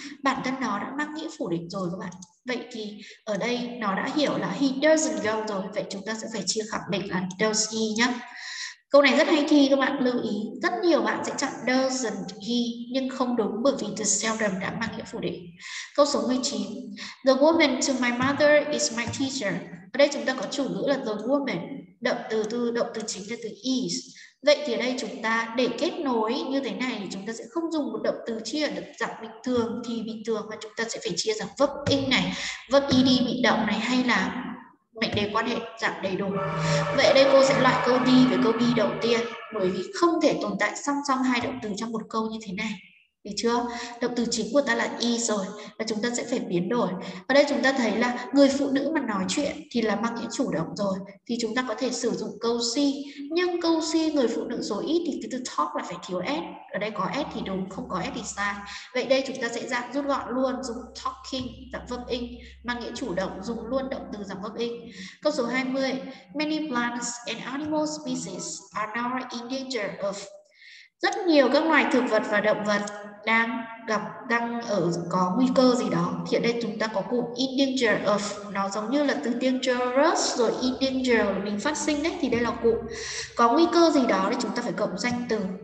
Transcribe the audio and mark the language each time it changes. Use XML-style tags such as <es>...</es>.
<vi>Bản thân nó đã mang nghĩa phủ định rồi các bạn. Vậy thì ở đây nó đã hiểu là</vi> <en>he doesn't go</en> <vi>rồi. Vậy chúng ta sẽ phải chia khẳng định là</vi> <en>does he</en> <vi>nhé. Câu này rất hay thi các bạn lưu ý. Rất nhiều bạn sẽ chọn</vi> <en>doesn't he,</en> <vi>nhưng không đúng bởi vì the seldom đã mang nghĩa phủ định. Câu số 19.</vi> <en>The woman to my mother is my teacher.</en> <vi>Ở đây chúng ta có chủ ngữ là the woman. Động từ chính là từ is. Vậy thì ở đây chúng ta để kết nối như thế này thì chúng ta sẽ không dùng một động từ chia ở dạng bình thường thì bình thường, mà chúng ta sẽ phải chia dạng verb in này, verb ed bị động này, hay là mệnh đề quan hệ dạng đầy đủ. Vậy đây cô sẽ loại câu đi với câu be đầu tiên, bởi vì không thể tồn tại song song hai động từ trong một câu như thế này. Được chưa? Động từ chính của ta là is rồi, và chúng ta sẽ phải biến đổi. Ở đây chúng ta thấy là người phụ nữ mà nói chuyện thì là mang nghĩa chủ động rồi, thì chúng ta có thể sử dụng câu she. Nhưng câu she người phụ nữ số ít thì cái từ talk là phải thiếu s. Ở đây có s thì đúng, không có s thì sai. Vậy đây chúng ta sẽ dạng rút gọn luôn, dùng talking dạng verb in, mang nghĩa chủ động, dùng luôn động từ dạng verb in. Câu số 20.</vi> <en>Many plants and animal species are now in danger of.</en> <vi>Rất nhiều các loài thực vật và động vật đang có nguy cơ gì đó. Thì ở đây chúng ta có cụm in danger of, nó giống như là từ dangerous rồi in danger mình phát sinh đấy. Thì đây là cụm có nguy cơ gì đó thì chúng ta phải cộng danh từ.</vi>